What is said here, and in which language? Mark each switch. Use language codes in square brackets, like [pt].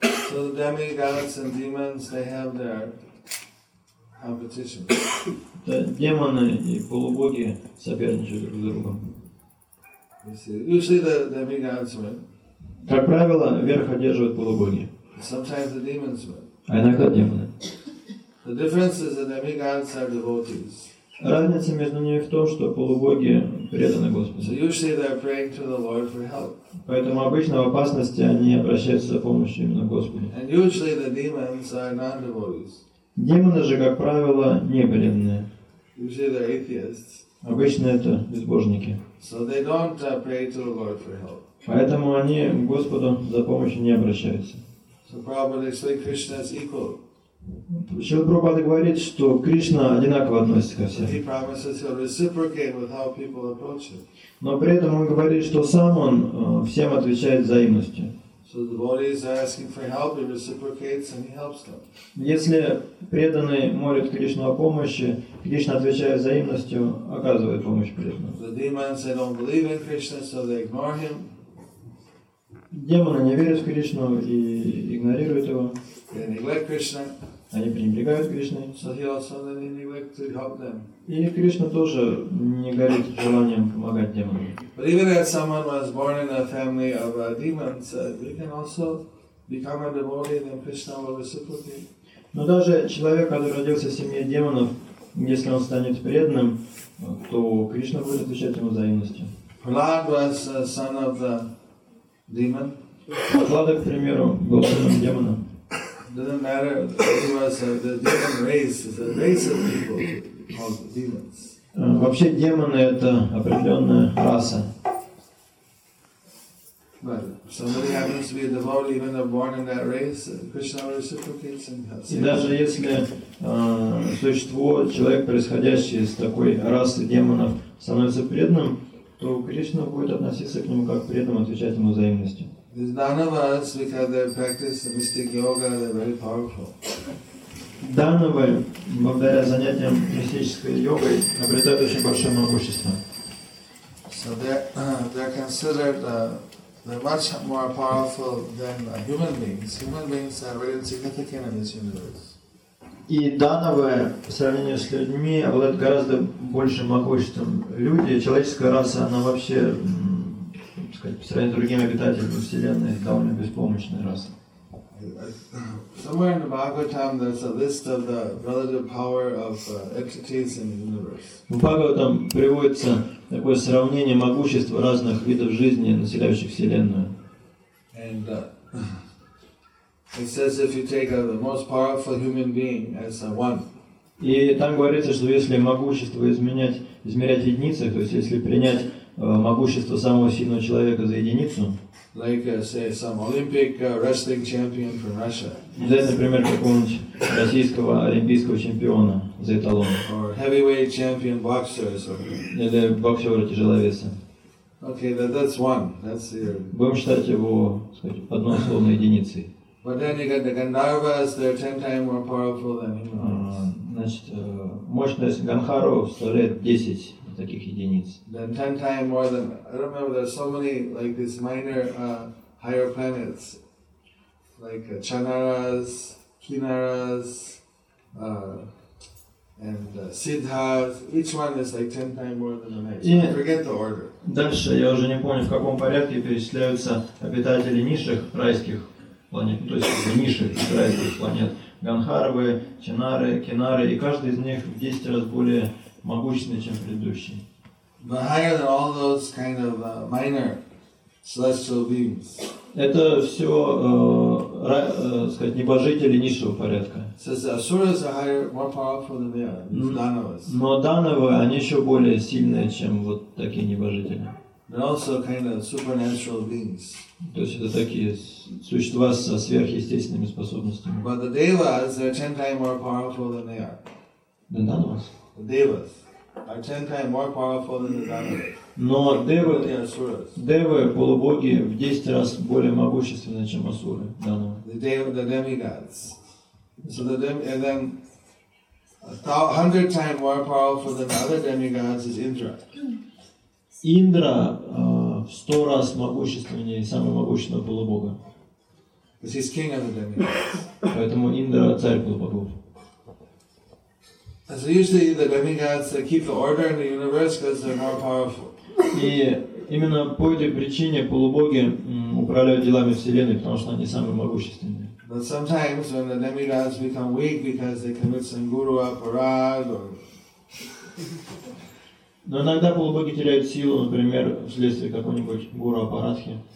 [en] So the demigods and demons, they have their competition. [ru] Демоны и полубоги соперничают друг с другом. [en] Usually the demigods win. [ru] Как правило, верх одерживают полубоги. [en] Sometimes the demons win. [ru] А иногда демоны. [en] The difference is that demigods are devotees. [ru] Разница между ними в том, что полубоги преданы Господу. [en] So usually they are praying to the Lord for help. [ru] Поэтому обычно в опасности они обращаются за помощью именно к Господу. [en] And usually the demons are non-devotees. [ru] Демоны же, как правило, не преданные. [en] Usually they are atheists. [ru] Обычно это безбожники. [en] So they don't pray to the Lord for help. [ru] Поэтому они к Господу за помощью не обращаются. [en] So probably say Krishna is equal. [ru] Шрила Прабхупада говорит, что Кришна одинаково относится ко всем. Но при этом он говорит, что сам он всем отвечает взаимностью. [en] So the devotee is asking for help, he reciprocates and he helps them. [ru] Если преданный молит Кришну о помощи, Кришна отвечает взаимностью, оказывает помощь преданному. [en] The demons, they don't believe in Krishna, so they ignore him. [ru] Демоны не верят в Кришну и игнорируют его. [en] They neglect Krishna. [ru] Они пренебрегают Кришной. [en] So he also doesn't neglect to help them. [ru] И Кришна тоже не горит желанием помогать демонам. [en] But even if someone was born in a family of demons, they can also become a devotee, then Krishna will reciprocate. [ru] Но даже человек, который родился в семье демонов, если он станет преданным, то Кришна будет отвечать ему взаимностью. [en] Prahlad was a son of the demon. [ru] Прахлада, к примеру, был сыном демона. [en] Doesn't matter. He was the demon race. It's a race of people called demons. [ru] Вообще демоны это определенная раса. [en] But if somebody happens to be a devotee, even though born in that race, Krishna reciprocates and helps. [ru] И даже если существо, человек, происходящий из такой расы демонов, становится преданным, то Кришна будет относиться к нему как к преданному, отвечать ему взаимностью. [en] These Dhanavas, because they practice the mystic yoga, they're very powerful. [ru] Dhanavas, благодаря занятиям мистической йогой, обретают очень большое могущество. [en] So they're considered they're much more powerful than human beings. Human beings are very insignificant in this universe. [ru] И Dhanavas, по сравнению с людьми, обладают гораздо большим могуществом. Люди, человеческая раса, она вообще по сравнению с другими обитателями Вселенной, довольно беспомощная раса. [en] Somewhere in the Bhāgavatam there's a list of the relative power of entities in the universe. [ru] В Бхагаватам приводится такое сравнение могущества разных видов жизни, населяющих Вселенную. [en] And it says if you take the most powerful human being as a one. [ru] И там говорится, что если могущество измерять в единицах, то есть если принять могущество самого сильного человека за единицу. [en] Like, say, some Olympic wrestling champion from Russia. [ru] Взять, например, какого-нибудь российского олимпийского чемпиона за эталон. [en] Or heavyweight champion boxer, [ru] или боксера тяжеловеса. [en] Okay, that's one. That's your... [ru] Будем считать его, сказать, одной условной единицей. [en] But then you got the Gandharvas, they're 10 times more powerful than humans. [ru] Значит, мощность Гандхарвы составляет 10 таких единиц. [en] Then 10 times more than... I don't remember, there's so many, like, these minor, higher planets. Like Chanaras, Kinaras, and Siddhas. Each one is like 10 times more than the next. Yeah. But forget the order. [ru] Дальше я уже не помню, в каком порядке перечисляются обитатели низших райских планет, то есть низших райских планет. Ганхарвы, Чинары, Кинары, и каждый из них в 10 раз более могущественный, чем предыдущий. [en] But higher than all those kind of minor celestial beings. [ru] Это все, сказать, небожители низшего порядка. Но дановы, они еще более сильные, чем вот такие небожители. [en] Also kind of supernatural beings. [ru] То есть это такие существа со сверхъестественными способностями. [en] But the devas are 10 times more powerful than they are. The dhanavas. The devas are 10 times more powerful than the dhanavas. [ru] Но девы, полубоги, в 10 раз более могущественны, чем асуры. [en] The demigods. So the and then 100 times more powerful than the other demigods is Indra. [ru] Индра в 100 раз могущественнее самого могущественного полубога. [en] Because he's king of the demigods. [ru] Поэтому Индра царь полубогов. [en] So usually the demigods keep the order in the universe because they're more powerful. [ru] И именно по этой причине полубоги управляют делами Вселенной, потому что они самые могущественные. [en] But sometimes when the demigods become weak because they commit sanguru aparad or... [ru] Но иногда полубоги теряют силу, например, вследствие какой-нибудь гуру апарадхи.